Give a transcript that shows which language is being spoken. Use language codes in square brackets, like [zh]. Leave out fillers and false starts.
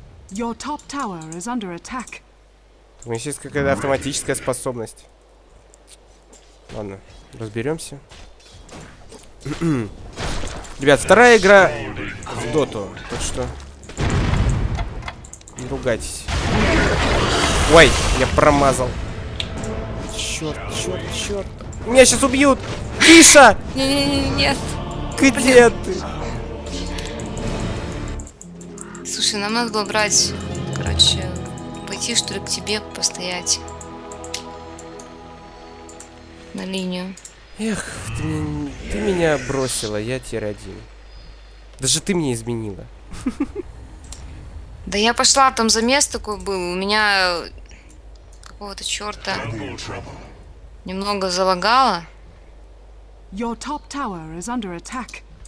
[en] Your top tower is under attack. [ru] У меня есть какая-то автоматическая способность. Ладно, разберемся. Ребят, вторая игра в доту. Так что... Не ругайтесь. Ой, я промазал. Черт, черт, черт. Меня сейчас убьют! Киша! Нет. Где ты? Слушай, нам надо было брать, короче, пойти что ли к тебе постоять на линию. Эх, ты меня бросила, я тир один. Даже ты меня изменила. Да я пошла, там замес такой был, у меня какого-то черта немного залагало. [en] Your top tower is under attack.